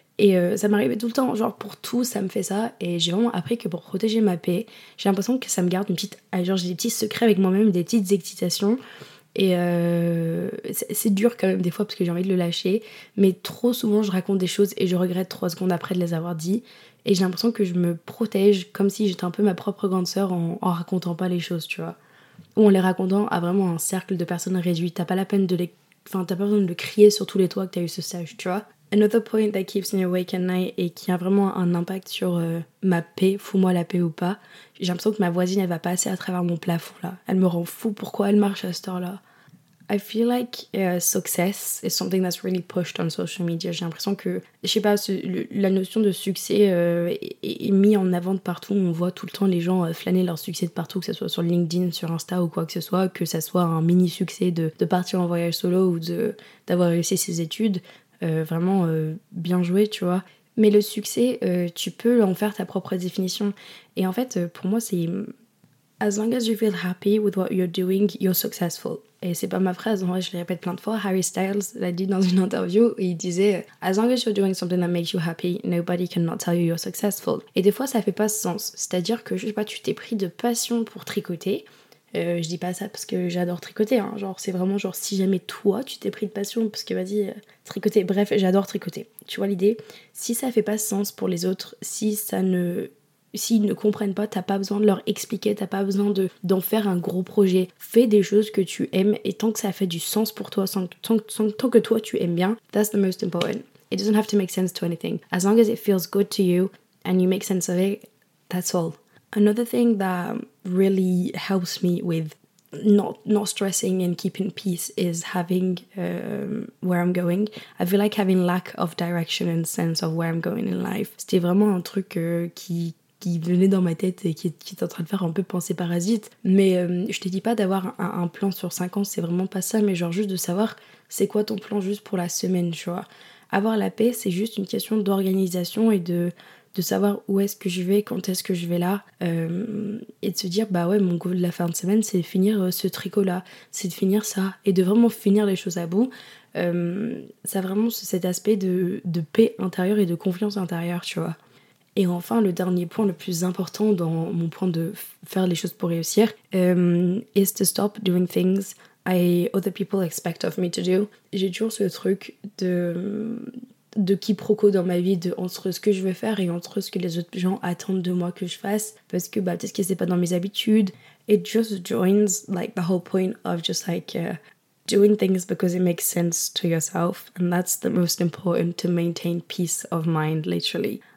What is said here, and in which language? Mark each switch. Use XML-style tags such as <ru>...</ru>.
<fr>Et ça m'arrivait tout le temps, genre pour tout ça me fait ça, et j'ai vraiment appris que pour protéger ma paix, j'ai l'impression que ça me garde une petite, genre j'ai des petits secrets avec moi-même, des petites excitations, et c'est dur quand même des fois parce que j'ai envie de le lâcher, mais trop souvent je raconte des choses et je regrette 3 secondes après de les avoir dit, et j'ai l'impression que je me protège comme si j'étais un peu ma propre grande sœur en racontant pas les choses, tu vois, ou en les racontant à vraiment un cercle de personnes réduites, t'as pas besoin de crier sur tous les toits que t'as eu ce stage, tu vois.</fr> <en>Another point that keeps me awake at night</en> <fr>et qui a vraiment un impact sur ma paix, fous-moi la paix ou pas, j'ai l'impression que ma voisine elle va passer à travers mon plafond là. Elle me rend fou, pourquoi elle marche à cette heure là?</fr> <en>I feel like success is something that's really pushed on social media.</en> <fr>J'ai l'impression que, je sais pas, la notion de succès est mise en avant de partout. On voit tout le temps les gens flâner leur succès de partout, que ce soit sur LinkedIn, sur Insta ou quoi que ce soit, que ce soit un mini succès de partir en voyage solo ou d'avoir réussi ses études. Bien joué, tu vois. Mais le succès, tu peux en faire ta propre définition. Et en fait, pour moi, c'est...</fr> <en>As long as you feel happy with what you're doing, you're successful.</en> <fr>Et c'est pas ma phrase, en vrai, je le répète plein de fois. Harry Styles l'a dit dans une interview, et il disait...</fr> <en>As long as you're doing something that makes you happy, nobody cannot tell you you're successful.</en> <fr>Et des fois, ça fait pas sens. C'est-à-dire que, je sais pas, tu t'es pris de passion pour tricoter, Je dis pas ça parce que j'adore tricoter, hein. Genre c'est vraiment genre si jamais toi tu t'es pris de passion parce que vas-y tricoter, bref j'adore tricoter, tu vois l'idée, si ça fait pas sens pour les autres, s'ils ne comprennent pas, t'as pas besoin de leur expliquer, t'as pas besoin d'en faire un gros projet, fais des choses que tu aimes et tant que ça fait du sens pour toi, tant que toi tu aimes bien,</fr> <en>that's the most important, it doesn't have to make sense to anything, as long as it feels good to you and you make sense of it, that's all. Another thing that really helps me with not stressing and keeping peace is having where I'm going. I feel like having lack of direction and sense of where I'm going in life.</en> <fr>C'était vraiment un truc qui venait dans ma tête et qui est en train de faire un peu penser parasite. Mais je te dis pas d'avoir un plan sur 5 ans, c'est vraiment pas ça. Mais genre juste de savoir c'est quoi ton plan juste pour la semaine, tu vois. Avoir la paix, c'est juste une question d'organisation et de savoir où est-ce que je vais, quand est-ce que je vais là, et de se dire, bah ouais, mon goal de la fin de semaine, c'est de finir ce tricot-là, c'est de finir ça, et de vraiment finir les choses à bout. Ça a vraiment cet aspect de paix intérieure et de confiance intérieure, tu vois. Et enfin, le dernier point le plus important dans mon point de faire les choses pour réussir,</fr> <en>is to stop doing things I other people expect of me to do.</en> <fr>J'ai toujours ce truc de quiproquo dans ma vie, entre ce que je veux faire et entre ce que les autres gens attendent de moi que je fasse, parce que bah, peut-être que c'est pas dans mes habitudes.</fr> <en>It just joins like the whole point of just like doing things because it makes sense to yourself, and that's the most important to maintain peace of mind, literally.</en>